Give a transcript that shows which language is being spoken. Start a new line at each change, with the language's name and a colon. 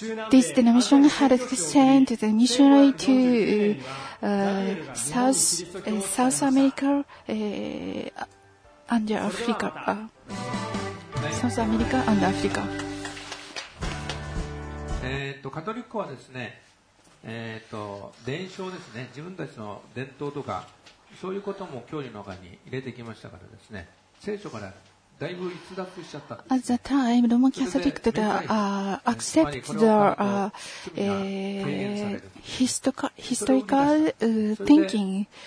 English: This denomination had sent the missionary to South America and Africa. South America and Africa.
Japanese: カトリックはですね、伝承ですね、自分たちの伝統とかそういうことも教義の中に入れてきましたからですね、聖書からだいぶ逸脱しちゃった。
English: At that time, Roman Catholic did accept the historical thinking.